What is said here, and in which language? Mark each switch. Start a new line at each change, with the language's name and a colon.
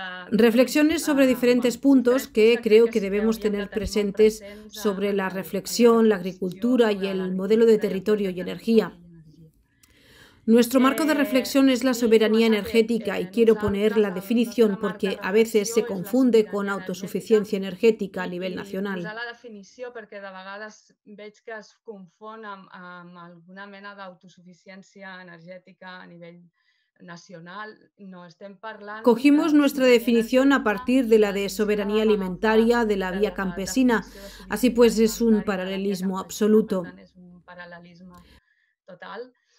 Spanish: Reflexiones sobre diferentes puntos que creo que debemos tener presentes sobre la reflexión, la agricultura y el modelo de territorio y energía. Nuestro marco de reflexión es la soberanía energética y quiero poner la definición porque a veces se confunde con autosuficiencia energética a nivel nacional. La definición porque
Catalan: de vegades veig que es confon amb alguna mena d'autosuficiència energètica a nivell nacional. No estem parlant.
Spanish: Cogimos nuestra definición a partir de la de soberanía alimentaria de la vía campesina. Así pues es un paralelismo absoluto. Es un paralelismo total.